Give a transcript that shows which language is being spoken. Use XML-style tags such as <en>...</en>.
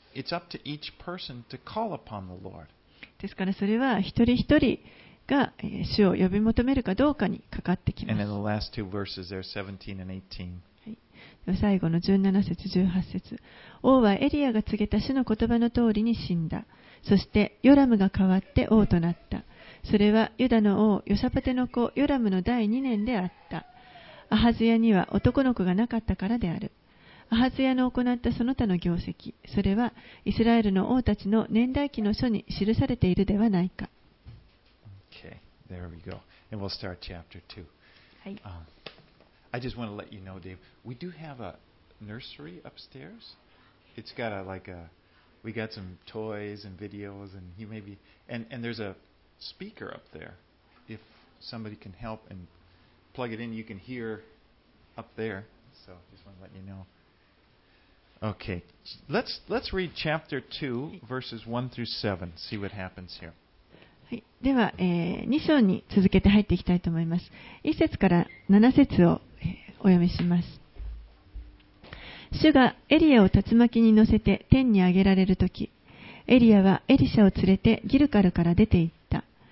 <en>It's up to each person to call upon the Lord.</en> <ja>ですからそれは一人一人が主を呼び求めるかどうかにかかってきます。</ja> <en>And in the last two verses, there are 17 and 18.</en> <ja>最後の17節18節王はエリアが告げた主の言葉の通りに死んだ。そしてヨラムが代わって王となった。それはユダの王ヨサパテの子ヨラムの第2年であった。アハズヤには男の子がなかったからである。アハズヤの行ったその他の業績、それはイスラエルの王たちの年代記の書に記されているではないか。</ja> <en>Okay, there we go. And we'll start chapter 2. はい、 I just want to let you know, Dave, we do have a nursery upstairs. It's got a, like a, we got some toys and videos and you maybe, and there's a speaker up there. If somebody can help and plug it in, you can hear up there. So just want to let you know. Okay, let's read chapter 2, verses 1 through 7, see what happens here.</en> <ja>はい、では、2章に続けて入っていきたいと思います。 1節から7節を、お読みします。主がエリアを竜巻に乗せて天に上げられるとき、エリアはエリシャを連れてギルカルから出て行った。</ja>